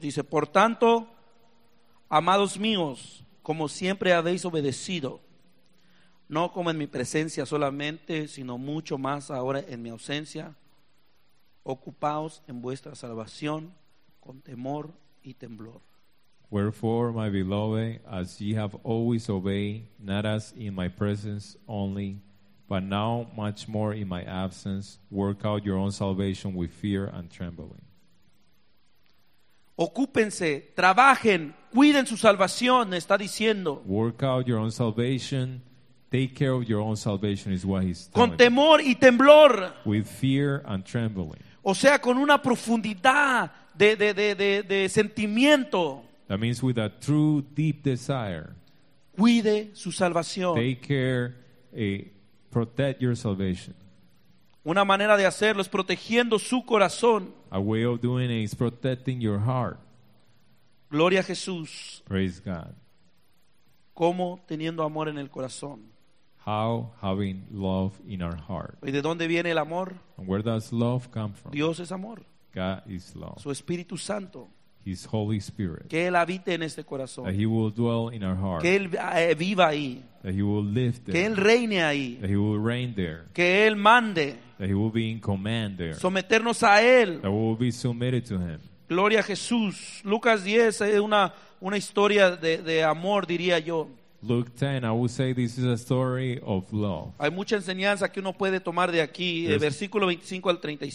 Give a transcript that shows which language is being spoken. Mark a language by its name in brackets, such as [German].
[Spanish] Dice, por tanto, amados míos, como siempre habéis obedecido, no como en mi presencia solamente, sino mucho más ahora en mi ausencia, ocupaos en vuestra salvación con temor y temblor. [English] Wherefore, my beloved, as ye have always obeyed, not as in my presence only, but now much more in my absence, work out your own salvation with fear and trembling. [Spanish] Ocúpense, trabajen, cuiden su salvación, está diciendo. [English] Work out your own salvation. Take care of your own salvation is what he's telling. [Spanish] Con temor y temblor. [English] With fear and trembling. [Spanish] O sea, con una profundidad de sentimiento. [English] That means with a true deep desire. [Spanish] Cuide su salvación. [English] Take care, protect your salvation. [Spanish] Una manera de hacerlo es protegiendo su corazón. [English] A way of doing it is protecting your heart. [Spanish] Gloria a Jesús. [English] Praise God. [Spanish] ¿Cómo teniendo amor en el corazón? [English] How having love in our heart. [Spanish] ¿Y de dónde viene el amor? [English] And where does love come from? [Spanish] Dios es amor. [English] God is love. [Spanish] Su Espíritu Santo. [English] His Holy Spirit. [Spanish] Que Él habite en este corazón. [English] That He will dwell in our heart. [Spanish] Que Él viva ahí. [English] That He will live there. [Spanish] Que Él reine ahí. [English] That He will reign there. [Spanish] Que Él mande. [English] That He will be in command there. [Spanish] Someternos a Él. [English] That we will be submitted to Him. [Spanish] Gloria a Jesús. Lucas 10 es una historia de amor, diría yo. [English] Luke 10, I would say this is a story of love. [Spanish] Hay mucha enseñanza que uno puede tomar de aquí, de versículo 25 al 37.